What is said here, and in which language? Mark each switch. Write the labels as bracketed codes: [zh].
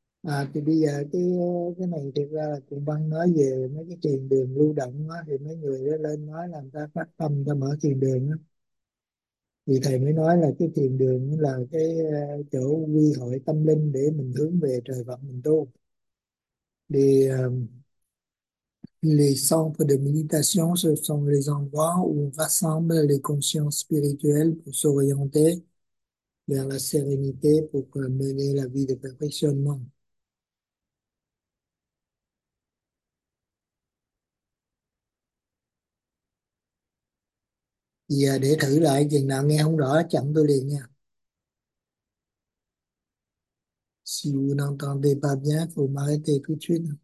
[vi] À thì bây giờ cái này thực ra là cũng Văn nói về mấy cái truyền đường lưu động á, thì mấy người đó lên nói làm ta phát tâm ta mở truyền đường á, thì thầy mới nói là cái truyền đường là cái chỗ quy hội tâm linh để mình hướng về trời Phật mình tu. [fr] Thì les centres de méditation, ce sont les endroits où on rassemble les consciences spirituelles pour s'orienter vers la sérénité, pour mener la vie de perfectionnement. Et [vi] Giờ để thử lại, chừng nào nghe không rõ chặn tôi liền nha. [fr] Si vous n'entendez pas bien, vous m'arrêtez tout de suite.